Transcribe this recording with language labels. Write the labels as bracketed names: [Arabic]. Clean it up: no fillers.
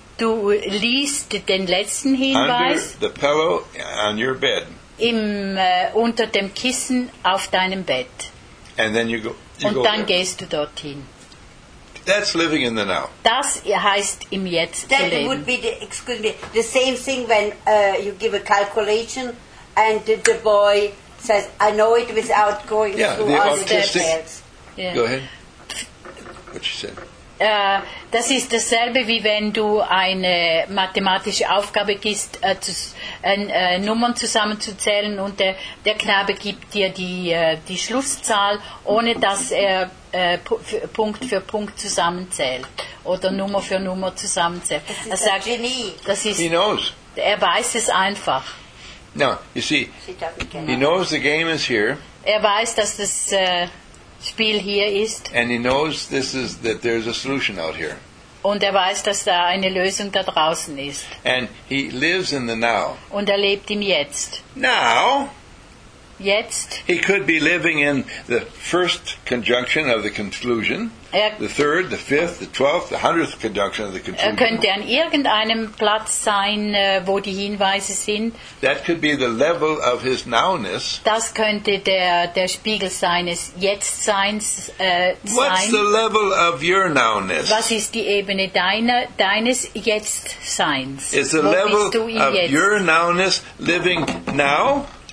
[German] Du liest den letzten Hinweis [English] under the pillow on your bed. [German] Unter dem Kissen auf deinem Bett. [English] And then you go, [German] und dann gehst du dorthin. [English] That's living in the now. [German] Das heißt im Jetzt [English] that [German] zu leben. [English] That would be the same thing when you give a calculation and the boy says, I know it without going through all the details. Go ahead. What you said. [German] Das ist dasselbe, wie wenn du eine mathematische Aufgabe gibst, Nummern zusammenzuzählen und der Knabe gibt dir die Schlusszahl, ohne dass er Punkt für Punkt zusammenzählt oder Nummer für Nummer zusammenzählt. Das ist ein Genie. Das ist, [English] he knows. [German] Er weiß es einfach. [English] No, you see, he knows the game is here. [German] Er weiß, dass das... Spiel hier ist. [English] And he knows this is that there's a solution out here. [German] Und er weiß, dass da eine Lösung da draußen ist. [English] And he lives in the now. [German] Und er lebt im Jetzt. [English] Now. [German] Jetzt. [English] He could be living in the first conjunction of the conclusion. The third, the fifth, the twelfth, the hundredth conjunction of the conclusion. [German] Er könnte an irgendeinem Platz sein, wo die Hinweise sind. [English] That could be the level of his nowness. [German] Das könnte der Spiegel seines Jetztseins sein. [English] What's the level of your nowness? [German] Was ist die Ebene deines Jetztseins? [English] Is the level of your nowness living now?